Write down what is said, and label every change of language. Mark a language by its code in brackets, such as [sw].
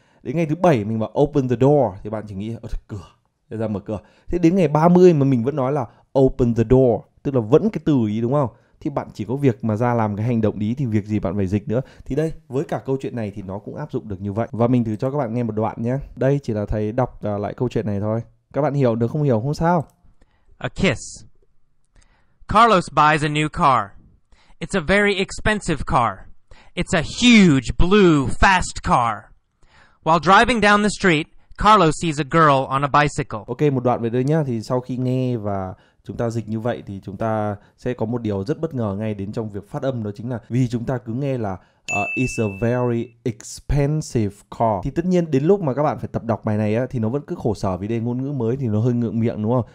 [vi] Đến ngày thứ 7 mình bảo [en] open the door, [vi] thì bạn chỉ nghĩ cửa, thế ra mở cửa. Thế đến ngày 30 mà mình vẫn nói là open the door, tức là vẫn cái từ ý đúng không? thì bạn chỉ có việc mà ra làm cái hành động đấy thì việc gì bạn phải dịch nữa. Thì đây, với cả câu chuyện này thì nó cũng áp dụng được như vậy. Và mình thử cho các bạn nghe một đoạn nhé. Đây chỉ là thầy đọc lại câu chuyện này thôi. Các bạn hiểu được không hiểu không sao. [en] A kiss. Carlos buys a new car. It's a very expensive car. It's a huge blue fast car. While driving down the street, Carlos sees a girl on a bicycle. [vi] Ok, một đoạn về đây nhá. Thì sau khi nghe và chúng ta dịch như vậy thì chúng ta sẽ có một điều rất bất ngờ ngay đến trong việc phát âm, đó chính là vì chúng ta cứ nghe là [en] it's a very expensive car. [vi] Thì tất nhiên đến lúc mà các bạn phải tập đọc bài này á, thì nó vẫn cứ khổ sở vì đây ngôn ngữ mới thì nó hơi ngượng miệng đúng không?